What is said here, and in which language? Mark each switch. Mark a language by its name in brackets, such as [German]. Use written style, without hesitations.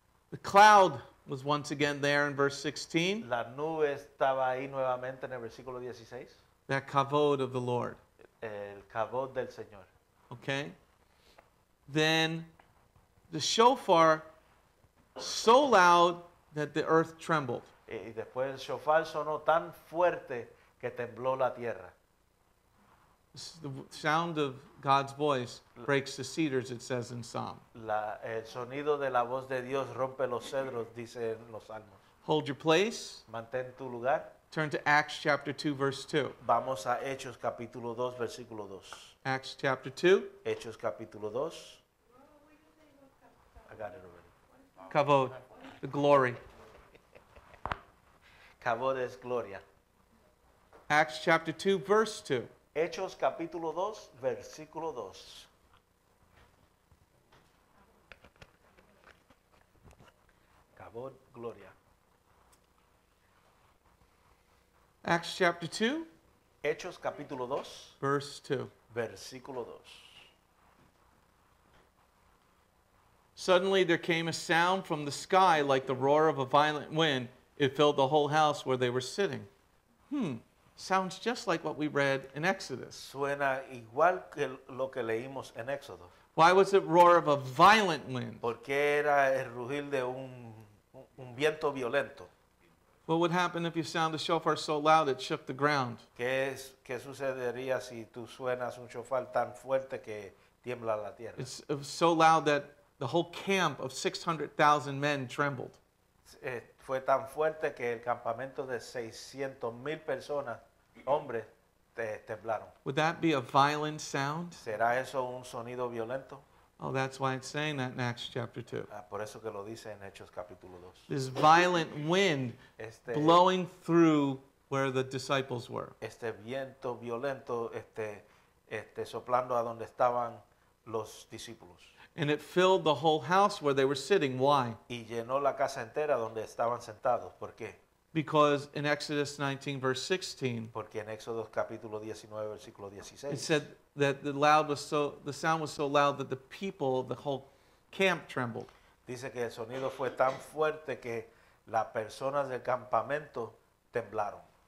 [English] The cloud was once again there in verse 16. [Spanish] La nube estaba ahí nuevamente en el versículo 16. [English] That kavod of the Lord. [Spanish] El kavod del Señor. [English] Okay. Then the shofar so loud that the earth trembled. [Spanish] Y después el shofar sonó tan fuerte que tembló la tierra. [English] The sound of God's voice breaks the cedars, it says in Psalm. [Spanish] El sonido de la voz de Dios rompe los cedros, dice en los salmos. [English] Hold your place. [Spanish] Mantén tu lugar. [English] Turn to Acts chapter 2, verse 2. [Spanish] Vamos a Hechos capítulo 2, versículo 2. [English] Acts chapter 2. [Spanish] Hechos capítulo 2. [English] I got it already. Kavod, the glory. [Spanish] Kavod es gloria. [English] Acts chapter 2, verse 2. [Spanish] Hechos capítulo 2, versículo 2. Cabot, Gloria. [English] Acts chapter 2. [Spanish] Hechos capítulo 2. [English] Verse 2. [Spanish] Versículo 2. [English] Suddenly there came a sound from the sky like the roar of a violent wind. It filled the whole house where they were sitting. Sounds just like what we read in Exodus. [Spanish] Suena igual que lo que leímos en Éxodo. [English] Why was it roar of a violent wind? [Spanish] Porque era el rugir de un viento violento. [English] What would happen if you sound the shofar so loud it shook the ground? [Spanish] ¿Qué sucedería si tú suenas un shofar tan fuerte que tiembla la tierra? [English] It's so loud that the whole camp of 600,000 men trembled. [Spanish] Fue tan fuerte que el campamento de 600,000 personas, hombres, temblaron. [English] Would that be a violent sound? [Spanish] ¿Será eso un sonido violento? [English] Oh, that's why it's saying that in Acts chapter 2. [Spanish] Por eso que lo dice en Hechos capítulo 2. [English] This violent wind blowing through where the disciples were. [Spanish] Este viento violento soplando a donde estaban los discípulos. [English] And it filled the whole house where they were sitting. Why? [Spanish] Y llenó la casa entera donde estaban sentados. ¿Por qué? [English] Because in Exodus 19, verse 16, [Spanish] porque en Éxodo capítulo 19, versículo 16, [English] it said that the sound was so loud that the people, the whole camp trembled. [Spanish] Dice que el sonido fue tan fuerte que las personas del campamento temblaron.